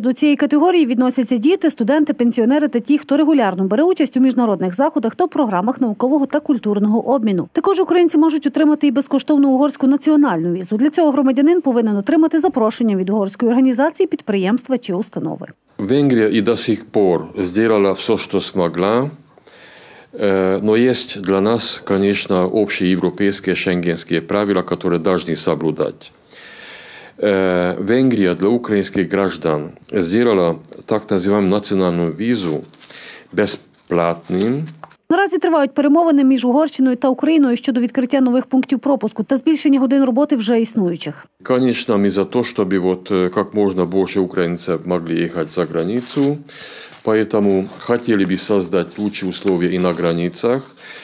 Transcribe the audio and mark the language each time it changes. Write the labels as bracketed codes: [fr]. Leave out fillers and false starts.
[uk] До цієї категорії відносяться діти, студенти, пенсіонери та ті, хто регулярно бере участь у міжнародних заходах та в програмах наукового та культурного обміну. Також українці можуть отримати і безкоштовну угорську національну візу. Для цього громадянин повинен отримати запрошення від угорської організації, підприємства чи установи. Венгрія і [ru] до сих пор [uk] зробила все, що змогла. [ru] Но есть для нас, конечно, общие европейские шенгенские правила, которые должны соблюдать. Венгрия для украинских граждан сделала так называемую национальную визу бесплатным. [uk] Наразі тривають перемовини між Угорщиною та Україною щодо відкриття нових пунктів пропуску та збільшення годин роботи вже існуючих. Звісно, ми за те, щоб як можна більше українців могли їхати за границю, тому хотіли б створити кращі умови і на границях.